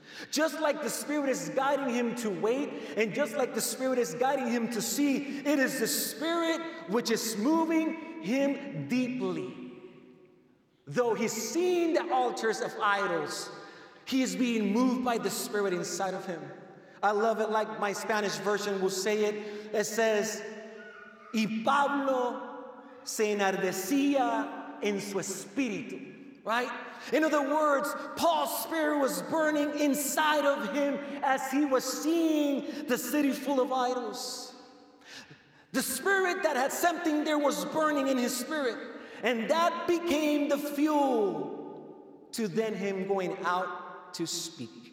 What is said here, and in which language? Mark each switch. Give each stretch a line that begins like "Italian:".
English: Just like the Spirit is guiding him to wait, and just like the Spirit is guiding him to see, it is the Spirit which is moving him deeply. Though he's seeing the altars of idols, he is being moved by the Spirit inside of him. I love it like my Spanish version will say it. It says,
Spanish: y Pablo se enardecía en su espíritu.
English: Right? In other words, Paul's spirit was burning inside of him as he was seeing the city full of idols. The spirit that had something there was burning in his spirit. And that became the fuel to then him going out to speak.